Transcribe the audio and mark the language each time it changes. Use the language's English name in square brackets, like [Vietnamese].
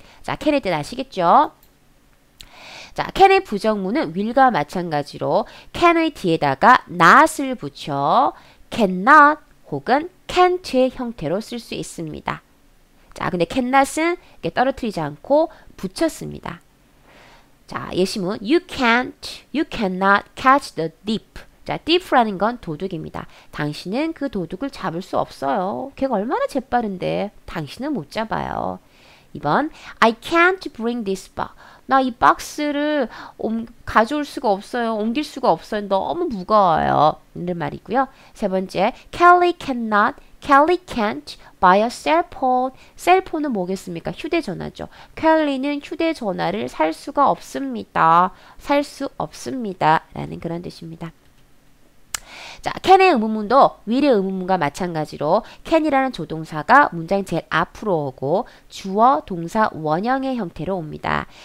[Korean] 자, 캔의 뜻 아시겠죠? 자, can의 부정문은 will과 마찬가지로 can의 뒤에다가 not을 붙여 cannot 혹은 can't의 형태로 쓸수 있습니다. 자, 근데 cannot은 이렇게 떨어뜨리지 않고 붙였습니다. 자, 예시문. [English] You cannot catch the thief. [Korean] 자, thief라는 건 도둑입니다. 당신은 그 도둑을 잡을 수 없어요. 걔가 얼마나 재빠른데 당신은 못 잡아요. [English] 2번, I can't bring this box. [Korean] 나이 박스를 가져올 수가 없어요. 옮길 수가 없어요. 너무 무거워요. 이런 말이고요. 세 번째, [English] Kelly cannot, Kelly can't buy a cell phone. [Korean] 셀폰은 뭐겠습니까? 휴대전화죠. 켈리는 휴대전화를 살 수가 없습니다. 살수 없습니다. 라는 그런 뜻입니다. 자, can의 의문문도 will의 의문문과 마찬가지로 can이라는 조동사가 문장 제일 앞으로 오고 주어, 동사, 원형의 형태로 옵니다.